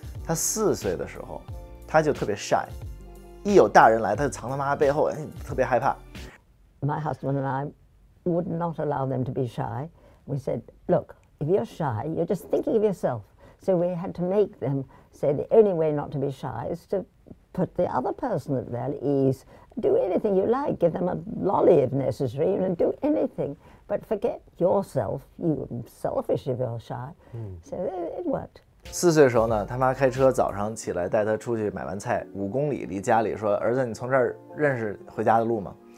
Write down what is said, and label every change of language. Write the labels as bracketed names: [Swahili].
[Chinese] 他四岁的时候他就特别 shy, 一有大人来他就藏他妈背后、哎、特别害怕。 [English] My husband and I,would not allow them to be shy. We said, look, if you're shy, you're just thinking of yourself. So we had to make them say the only way not to be shy is to put the other person at their ease. Do anything you like, give them a lolly if necessary, you know, do anything. But forget yourself, you're selfish if you're shy.、Mm. So it worked. [Chinese] 四岁的时候呢，他妈开车早上起来带他出去买完菜，五公里离家里，说儿子，你从这儿认识回家的路吗？